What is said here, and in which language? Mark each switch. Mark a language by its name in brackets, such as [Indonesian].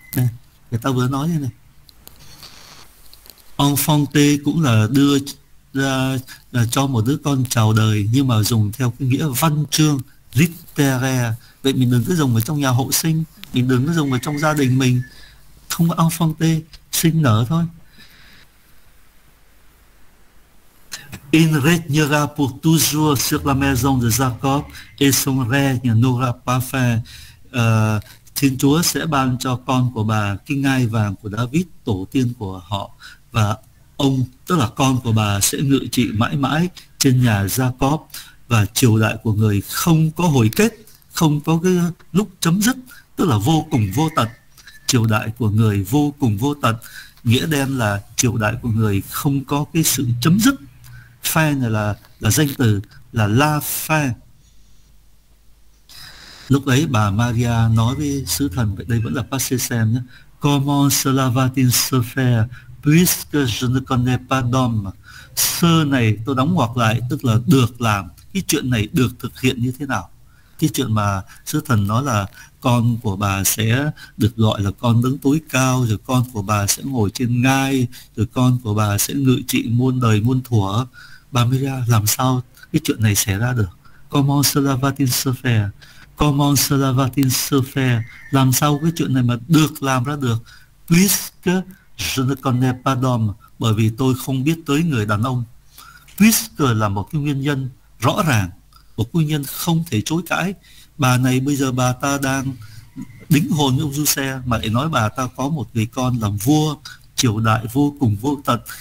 [Vietnamese] Nên, người ta vừa nói như này, enfant cũng là đưa ra là cho một đứa con chào đời, nhưng mà dùng theo cái nghĩa văn chương littéraire. Vậy mình đừng cứ dùng ở trong nhà hộ sinh, mình đừng cứ dùng ở trong gia đình mình, không có enfant sinh nở thôi. [French] Il régnera pour toujours sur la maison de Jacob et son règne n'aura pas fin. [Vietnamese] Thiên Chúa sẽ ban cho con của bà cái ngai vàng của David, tổ tiên của họ, và ông, tức là con của bà, sẽ ngự trị mãi mãi trên nhà Jacob, và triều đại của người không có hồi kết, không có cái lúc chấm dứt, tức là vô cùng vô tận. Triều đại của người vô cùng vô tận, nghĩa đen là triều đại của người không có cái sự chấm dứt. Fin này là danh từ, là la fin. Lúc ấy bà Maria nói với sứ thần, vậy đây vẫn là passé simple nhé: [French] Comment cela va-t-il se faire, puisque je ne connais pas d'homme? [Vietnamese] Sơ này tôi đóng ngoặc lại, tức là được làm, cái chuyện này được thực hiện như thế nào? Cái chuyện mà sứ thần nói là con của bà sẽ được gọi là con đứng tối cao, rồi con của bà sẽ ngồi trên ngai, rồi con của bà sẽ ngự trị muôn đời muôn thuở. Bà Maria, làm sao cái chuyện này xảy ra được? [French] Comment cela va-t-il se faire? Comment cela va-t-il se faire? [Vietnamese] Làm sao cái chuyện này mà được làm ra được? [French] Puisque je ne connais pas d'homme, [Vietnamese] bởi vì tôi không biết tới người đàn ông. Puisque là một cái nguyên nhân rõ ràng, một nguyên nhân không thể chối cãi. Bà này bây giờ bà ta đang đính hôn với ông Giuse, mà lại nói bà ta có một người con làm vua, triều đại vô cùng vô tận.